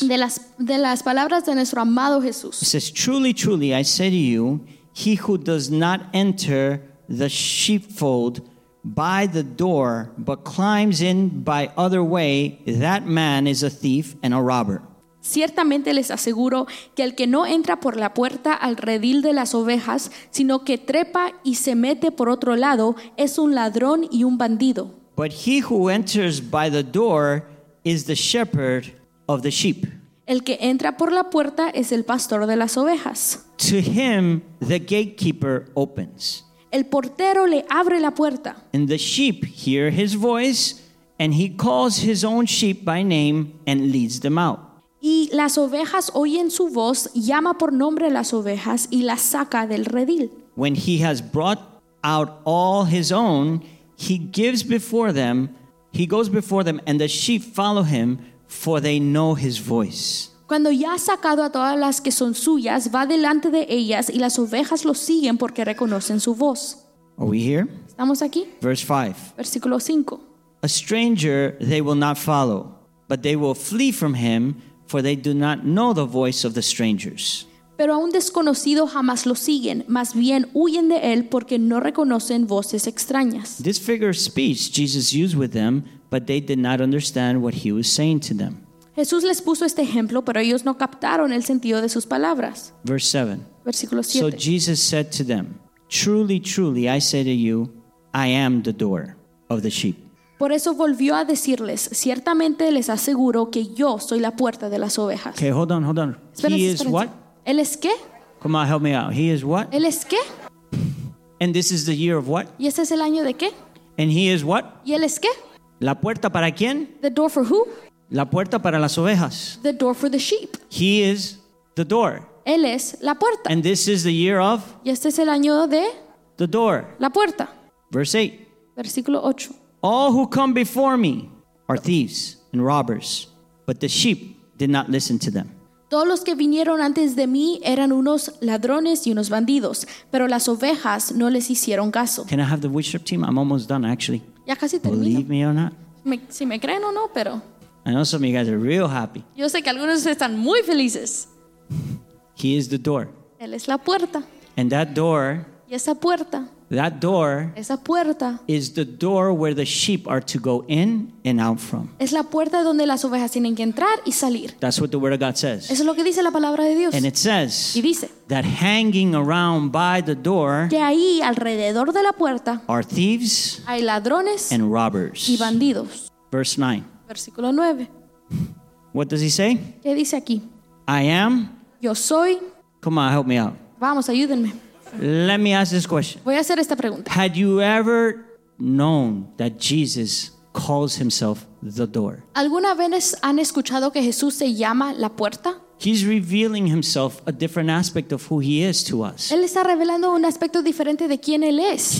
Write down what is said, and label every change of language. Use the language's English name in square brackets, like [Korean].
[Spanish] De las palabras de nuestro amado Jesús. [English] It says, truly, truly, I say to you, he who does not enter the sheepfold by the door, but climbs in by other way, that man is a thief and a robber. [Spanish] Ciertamente les aseguro que el que no entra por la puerta al redil de las ovejas, sino que trepa y se mete por otro lado, es un ladrón y un bandido. [English] But he who enters by the door is the shepherd of the sheep. [Spanish] El que entra por la puerta es el pastor de las ovejas. [English] To him the gatekeeper opens. [Spanish] El portero le abre la puerta. [English] And the sheep hear his voice, and he calls his own sheep by name and leads them out. [Spanish] Y las ovejas oyen su voz, llama por nombre a las ovejas y las saca del redil. [English] When he has brought out all his own, he goes before them, and the sheep follow him, for they know his voice. [Spanish] Cuando ya ha sacado a todas las que son suyas, va delante de ellas y las ovejas lo siguen porque reconocen su voz. [English] Are we here? [Spanish] ¿Estamos aquí? [English] Verse 5. [Spanish] Versículo 5. [English] A stranger they will not follow, but they will flee from him, for they do not know the voice of the strangers. [Spanish] Pero a un desconocido jamás lo siguen, más bien huyen de él porque no reconocen voces extrañas. [English] This figure of speech Jesus used with them, but they did not understand what he was saying to them. [Spanish] Jesús les puso este ejemplo, pero ellos no captaron el sentido de sus palabras. [English] Verse 7. [Spanish] Versículo 7. [English] So Jesus said to them, truly, truly, I say to you, I am the door of the sheep. [Spanish] Por eso volvió a decirles, ciertamente les aseguro que yo soy la puerta de las ovejas. [English] Okay, hold on, hold on. [Spanish] Espérense, [English] he is what? [Spanish] ¿Él es qué? [English] Come on, help me out. He is what? [Spanish] ¿Él es qué? [English] And this is the year of what? [Spanish] ¿Y este es el año de qué? [English] And he is what? [Spanish] ¿Y él es qué? ¿La puerta para quién? [English] The door for who? [Spanish] La puerta para las ovejas. [English] The door for the sheep. He is the door. [Spanish] Él es la puerta. [English] And this is the year of? [Spanish] Y este es el año de? [English] The door. [Spanish] La puerta. [English] Verse 8. [Spanish] Versículo 8. [English] All who come before me are thieves and robbers, but the sheep did not listen to them. [Spanish] Todos los que vinieron antes de mí eran unos ladrones y unos bandidos, pero las ovejas no les hicieron caso. [English] Can I have the worship team? I'm almost done, actually. [Spanish] Ya casi termino. [English] Believe me or not. [Spanish] Si me creen o no, pero... [English] I know some of you guys are real happy. [Spanish] Yo sé que algunos están muy felices. [English] He is the door. [Spanish] Él es la puerta. [English] And that door. [Spanish] Y esa puerta. [English] That door. [Spanish] Esa puerta. [English] Is the door where the sheep are to go in and out from. [Spanish] Es la puerta donde las ovejas tienen que entrar y salir. [English] That's what the word of God says. [Spanish] Eso es lo que dice la palabra de Dios. [English] And it says. [Spanish] Y dice. [English] That hanging around by the door. [Spanish] Que ahí alrededor de la puerta. [English] Are thieves. [Spanish] Hay ladrones. [English] And robbers. [Spanish] Y bandidos. [English] Verse 9. [Spanish] Versículo 9. [English] What does he say? [Spanish] ¿Qué dice aquí? [English] I am. [Spanish] Yo soy. [English] Come on, help me out. [Spanish] Vamos, ayúdenme. [English] Let me ask this question. [Spanish] Voy a hacer esta pregunta. [English] Had you ever known that Jesus calls himself the door? [Spanish] ¿Alguna vez han escuchado que Jesús se llama la puerta? [English] He's revealing himself a different aspect of who he is to us. [Spanish] Él está revelando un aspecto diferente de quién él es.